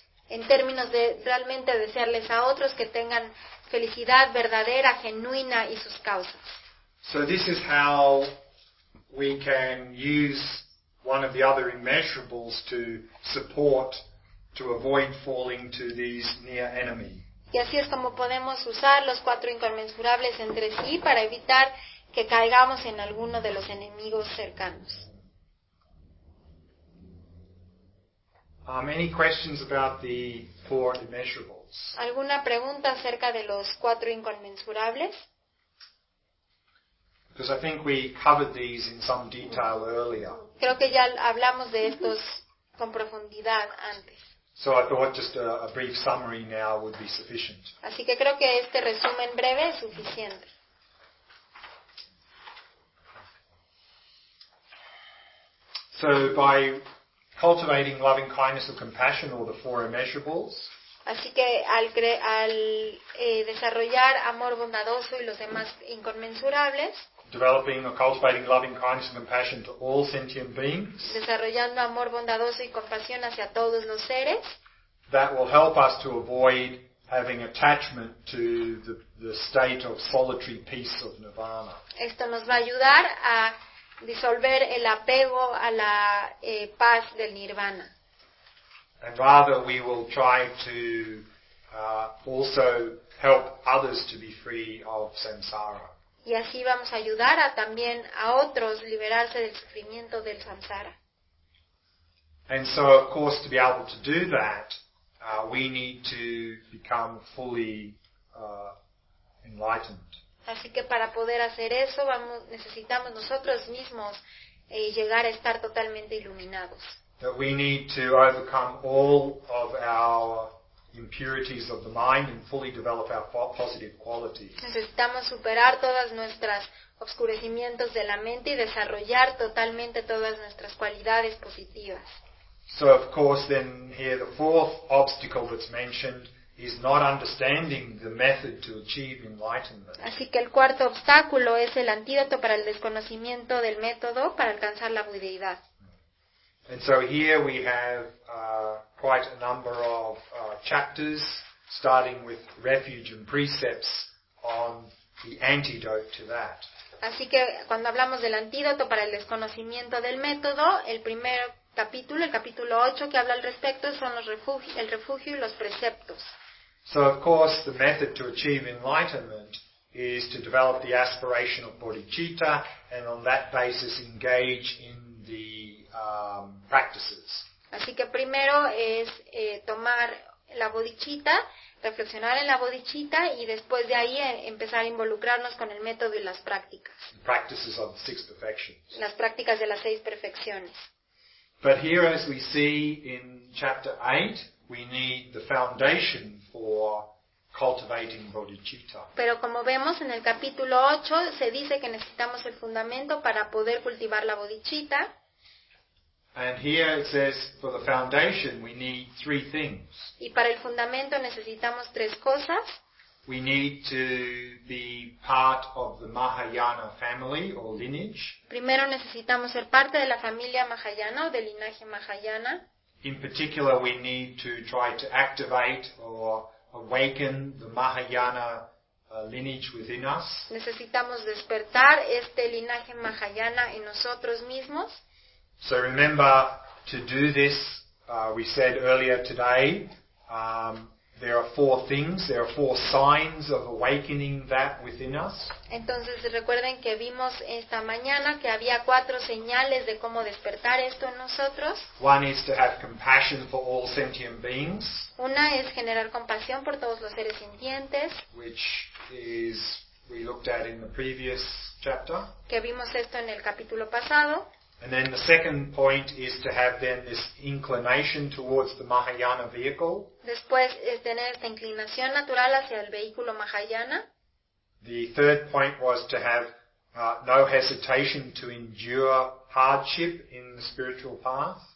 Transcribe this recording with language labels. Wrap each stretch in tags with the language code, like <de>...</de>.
<es>En términos de realmente desearles a otros que tengan felicidad verdadera, genuina y sus causas.</es> <en>So this is how we can use one of the other immeasurables to support, to avoid falling to these near enemy.</en> <es>Y así es como podemos usar los cuatro inconmensurables entre sí para evitar que caigamos en alguno de los enemigos cercanos.</es> <en>Any questions about the four immeasurables?</en> <es>¿Alguna pregunta acerca de los cuatro inconmensurables?</es> <en>Because I think we covered these in some detail earlier.</en> <es>Creo que ya hablamos de estos con profundidad antes.</es> <en>So I thought just a brief summary now would be sufficient.</en> <es>Así que creo que este resumen breve es suficiente.</es> <en>So by cultivating loving kindness or compassion or the four immeasurables.</en> <es>Así que al desarrollar amor bondadoso y los demás inconmensurables.</es> <en>Developing or cultivating loving kindness and compassion to all sentient beings.</en> <es>Desarrollando amor bondadoso y compasión hacia todos los seres.</es> <en>That will help us to avoid having attachment to the state of solitary peace of nirvana.</en> <es>Esto nos va a ayudar a disolver el apego a la paz del nirvana.</es> <en>And rather we will try to also help others to be free of samsara.</en> <es>Y así vamos a ayudar también a otros liberarse del sufrimiento del samsara.</es> <en>And so of course to be able to do that, we need to become fully enlightened.</en> <es>Así que para poder hacer eso, necesitamos nosotros mismos llegar a estar totalmente iluminados.</es> <en>That we need to overcome all of our impurities of the mind and fully develop our positive qualities.</en> <es>Necesitamos superar todas nuestras oscurecimientos de la mente y desarrollar totalmente todas nuestras cualidades positivas.</es> <en>So of course then here the fourth obstacle that's mentioned is not understanding the method to achieve enlightenment.</en> <es>Así que el cuarto obstáculo es el antídoto para el desconocimiento del método para alcanzar la budeidad.</es> <en>And so here we have quite a number of chapters, starting with refuge and precepts on the antidote to that.</en> <es>Así que cuando hablamos del antídoto para el desconocimiento del método, el primer capítulo, el capítulo 8 que habla al respecto, son los el refugio y los preceptos.</es> <en>So of course the method to achieve enlightenment is to develop the aspiration of bodhicitta and on that basis engage in the practices.</en> <es>Así que primero es tomar la bodhicitta, reflexionar en la bodhicitta y después de ahí empezar a involucrarnos con el método y las prácticas.</es> <en>Practices of the six perfections.</en> <es>Las prácticas de las seis perfecciones.</es> <en>But here as we see in chapter 8, we need the foundation for cultivating bodhicitta.</en> <es>Pero como vemos en el capítulo 8, se dice que necesitamos el fundamento para poder cultivar la bodhicitta.</es> <en>And here it says, for the foundation, we need three things.</en> <es>Y para el fundamento necesitamos tres cosas.</es> <en>We need to be part of the Mahayana family or lineage.</en> <es>Primero necesitamos ser parte de la familia Mahayana o del linaje Mahayana.</es> <en>In particular, we need to try to activate or awaken the Mahayana lineage within us.</en> <es>Necesitamos despertar este linaje Mahayana en nosotros mismos.</es> <en>So remember, to do this, we said earlier today, there are four things, there are four signs of awakening that within us.</en> <es>Entonces recuerden que vimos esta mañana que había cuatro señales de cómo despertar esto en nosotros.</es> <en>One is to have compassion for all sentient beings.</en> <es>Una es generar compasión por todos los seres sintientes.</es> <en>Which is, we looked at in the previous chapter.</en> <es>Que vimos esto en el capítulo pasado.</es> <en>And then the second point is to have then this inclination towards the Mahayana vehicle.</en> <es>Después es tener esta inclinación natural hacia el vehículo Mahayana.</es> <en>The third point was to have no hesitation to endure hardship in the spiritual path.</en>